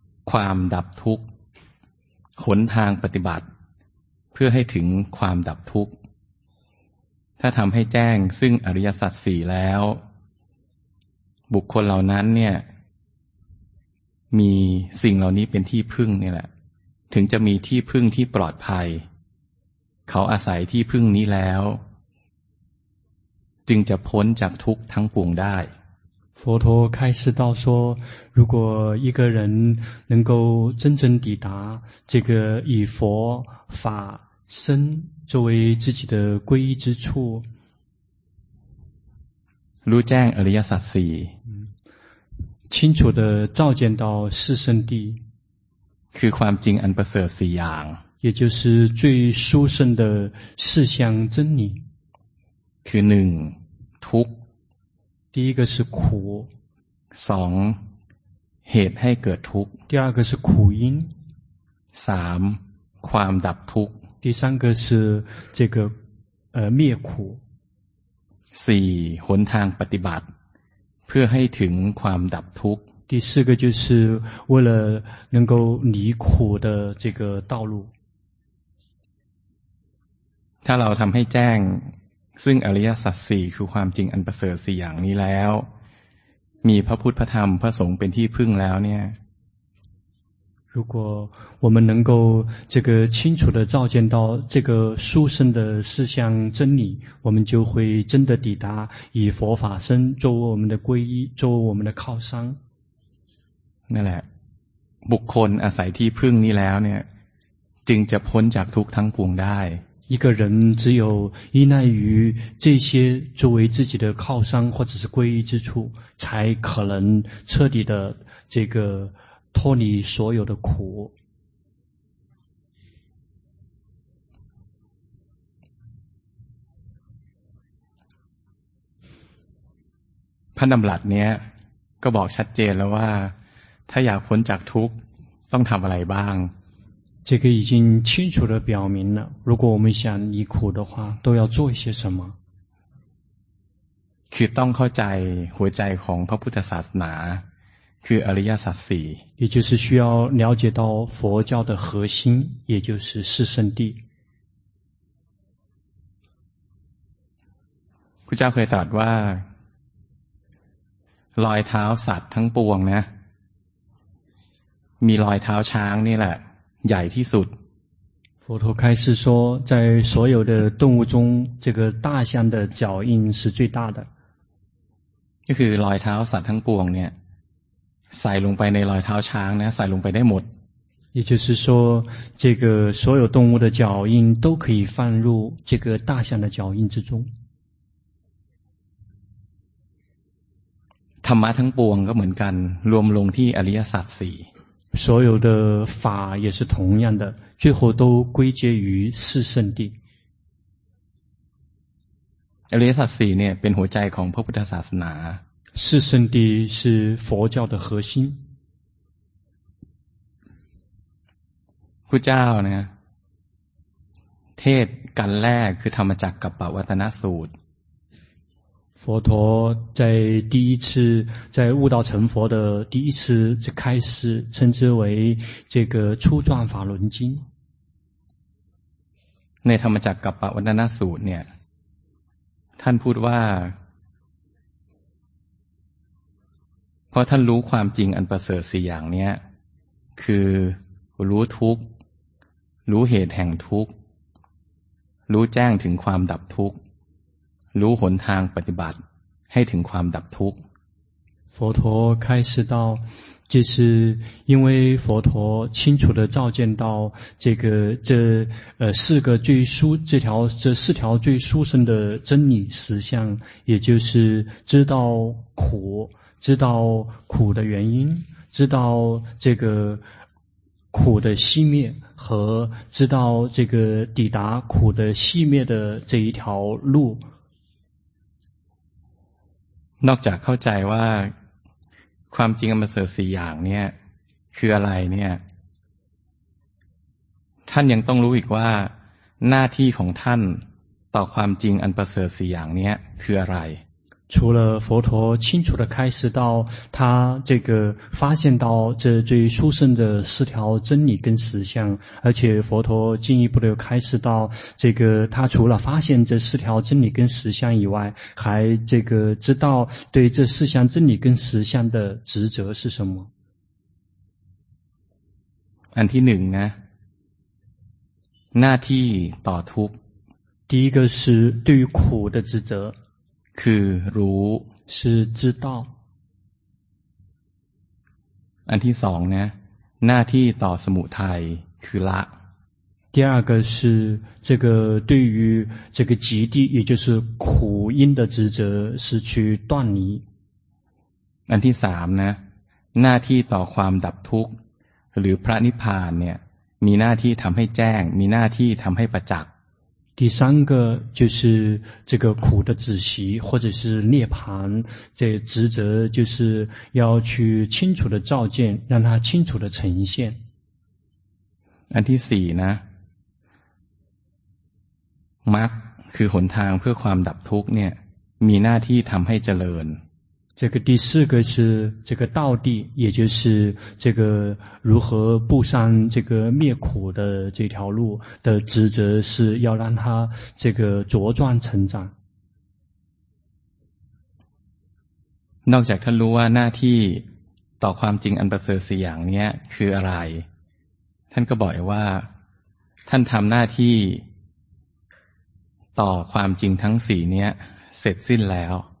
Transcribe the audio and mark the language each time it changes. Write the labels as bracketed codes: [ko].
[th] ความดับทุกข์หนทางปฏิบัติเพื่อให้ถึงความดับทุกข์ถ้าทำให้แจ้งซึ่งอริยสัจสี่แล้วบุคคลเหล่านั้นเนี่ยมีสิ่งเหล่านี้เป็นที่พึ่งนี่แหละถึงจะมีที่พึ่งที่ปลอดภัยเขาอาศัยที่พึ่งนี้แล้วจึงจะพ้นจากทุกข์ทั้งปวงได้ [zh] 佛陀开始到说如果一个人能够真正抵达这个以佛法身作为自己的皈依之处 [th] รู้แจ้งอริยสัจสี่ [zh] 清楚的照见到四圣谛 [th] คือความจริงอันประเสริฐสี่อย่าง [zh] 也就是最殊胜的四相真理 [th] คือ1ทุกข์ [zh] 第一个是苦 [th] 2เหตุให้เกิดทุกข์ [zh] 第二个是苦因 [th] 3ความดับทุกข์ [zh] 第三个是这个灭苦 [th] 4หนทางปฏิบัติเพื่อให้ถึงความดับทุกข์ [zh] 第四个就是为了能够离苦的这个道路。 [th] ถ้าเราทำให้แจ้งซึ่งอริยสัจสี่คือความจริงอันประเสริฐสี่อย่างนี้แล้วมีพระพุทธพระธรรมพระสงฆ์เป็นที่พึ่งแล้วเนี่ย [zh] 如果我们能够这个清楚的照见到这个殊胜的四相真理，我们就会真的抵达以佛法身作为我们的皈依，作为我们的靠山。 [th] นั่นแหละบุคคลอาศัยที่พึ่งนี้แล้วเนี่ยจึงจะพ้นจากทุกข์ทั้งปวงได้ [zh] 一个人只有依赖于这些作为自己的靠山或者是皈依之处才可能彻底的这个脱离所有的苦 [th] พ พระดำรัสเนี้ยก็บอกชัดเจนแล้วว่าถ้าอยากพ้นจากทุกข์ต้องทำอะไรบ้าง [zh] 这个已经清楚地表明了如果我们想离苦的话都要做一些什么 [th] คือต้องเข้าใจหัวใจของพระพุทธศาสนาคืออริยสัจสี่ [zh] 也就是需要了解到佛教的核心也就是四圣谛 [th] พุทธเจ้าเคยตรัสว่ารอยเท้าสัตว์ทั้งปวงนะมีรอยเท้าช้างนี่แหละใหญ่ที่สุด [zh] 佛陀开示说在所有的动物中这个大象的脚印是最大的 [th] ก็คือรอยเท้าสัตว์ทั้งปวงเนี่ยใส่ลงไปในรอยเท้าช้างนะใส่ลงไปได้หมด [zh] 也就是说这个所有动物的脚印都可以放入这个大象的脚印之中 [th] ธรรมะทั้งปวงก็เหมือนกันรวมลงที่อริยสัจสี่ [zh] 所有的法也是同样的最后都归结于四圣谛 [th] อริยสัจสี่เนี่ยเป็นหัวใจของพระพุทธศาสนา [zh] 四圣谛是佛教的核心 [th] พุทธเจ้าเนี่ยเทศกันแรกคือธรรมจักรกัปปวัตตนสูตร [zh] 佛陀在第一次在悟道成佛的第一次这开始称之为这个初转法轮经 [th] ในธรรมจักรกัปปวัตตนสูตรเนี่ยท่านพูดว่าเพราะท่านรู้ความจริงอันประเสริฐสี่อย่างเนี้ยคือรู้ทุกข์รู้เหตุแห่งทุกข์รู้แจ้งถึงความดับทุกข์ 如魂堂 ปฏิบัติให้ถึงความดับทุกข์ [zh] 佛陀开示到这是因为佛陀清楚地照见到这个这四个最殊这条这四条最殊胜的真理实相也就是知道苦知道苦的原因知道这个苦的熄灭和知道这个抵达苦的熄灭的这一条路 [th] นอกจากเข้าใจว่าความจริงอันประเสริฐสี่อย่างเนี่ยคืออะไรเนี่ยท่านยังต้องรู้อีกว่าหน้าที่ของท่านต่อความจริงอันประเสริฐสี่อย่างเนี่ยคืออะไร [zh] 除了佛陀清楚地开示到他这个发现到这最殊胜的四条真理跟实相而且佛陀进一步地开示到这个他除了发现这四条真理跟实相以外还这个知道对这四项真理跟实相的职责是什么 [th] อันที่หนึ่งนะหน้าที่ต่อทุก [zh] 第一个是对于苦的职责 [th] คือรู้ [zh] 是知道 [th] อันที่สองนะหน้าที่ต่อสมุทัยคือละ [zh] 第二个是这个对于这个极地也就是苦因的职责是去断离 [th] อันที่สามนะหน้าที่ต่อความดับทุกข์หรือพระนิพพานเนี่ยมีหน้าที่ทำให้แจ้งมีหน้าที่ทำให้ประจักษ์ [zh] 第三个就是这个苦的止息或者是涅槃这职责就是要去清楚的照见让它清楚的呈现 [th] อันที่สี่นะมรรคคือหนทางเพื่อความดับทุกข์เนี่ยมีหน้าที่ทำให้เจริญ [zh] 这个第四个是这个道地也就是这个如何步上这个灭苦的这条路的职责是要让它这个茁壮成长 [th] นอกจากท่านรู้ว่าหน้าที่ต่อความจริงอันประเสริฐสี่อย่างนี้คืออะไรท่านก็บอกว่าท่านทำหน้าที่ต่อความจริงทั้งสี่นี้เสร็จสิ้นแล้ว